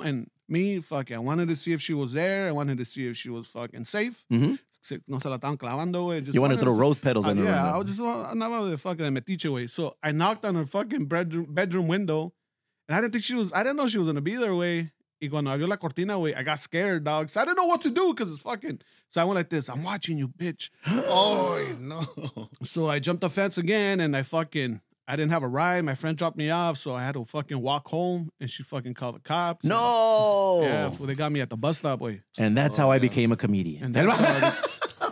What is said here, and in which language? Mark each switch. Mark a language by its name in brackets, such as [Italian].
[English] And me, I wanted to see if she was there. I wanted to see if she was fucking safe. Mm-hmm. [Spanish] No se la están clavando, way. [English] You wanted to throw rose petals in her room. Yeah, I was just another fucking metiche, way. So I knocked on her fucking bedroom window. And I didn't know she was going to be there, way. [Spanish] Y cuando abrió la cortina, güey, [English] I got scared, dog. So I didn't know what to do because it's fucking. So I went like this. I'm watching you, bitch. Oh, no. So I jumped the fence again, and I fucking, I didn't have a ride. My friend dropped me off, so I had to fucking walk home, and she fucking called the cops. No. And, yeah, so they got me at the bus stop, boy. And that's how I became a comedian. And that's how